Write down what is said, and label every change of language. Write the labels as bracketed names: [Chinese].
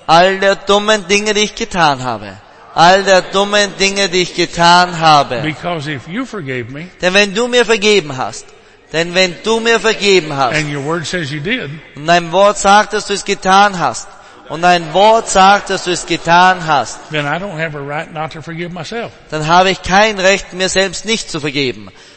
[German] All der dummen Dinge, die ich getan habe. All der dummen Dinge, die ich getan habe. [English] Because if you forgave me. [German] Denn wenn du mir vergeben hast. Denn wenn du mir vergeben hast. [English] And your word says you did. [German] Und dein Wort sagt, dass du es getan hast. Und dein Wort sagt, dass du es getan hast. [English] Then I don't have a right not to forgive myself. [German] Dann habe ich kein Recht, mir selbst nicht zu vergeben.